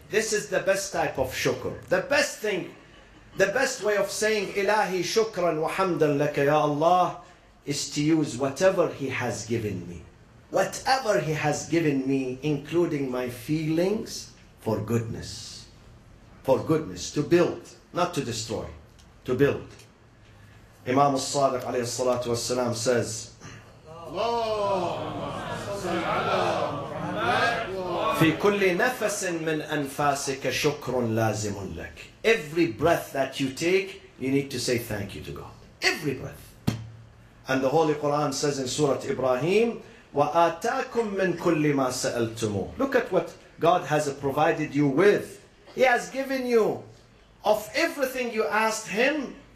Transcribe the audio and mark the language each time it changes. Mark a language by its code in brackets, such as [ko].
[en] This is the best type of shukr. The best thing, the best way of saying [ar] إِلَهِ شُكْرًا وَحَمْدًا لَكَ يَا اللَّهِ [en] is to use whatever He has given me. Whatever He has given me, including my feelings, for goodness. For goodness, to build, not to destroy, to build. Imam al-Sadiq alayhi salatu wassalam says, [ar] في كل نفس من أنفاسك شكر لازم لك. [en] Every breath that you take, you need to say thank you to God. Every breath. And the Holy Quran says in Surah Ibrahim, [ar] وَآتَاكُم مِّن كُلِّ مَا سَأَلْتُمُ. [en] Look at what God has provided you with. He has given you of everything you asked Him.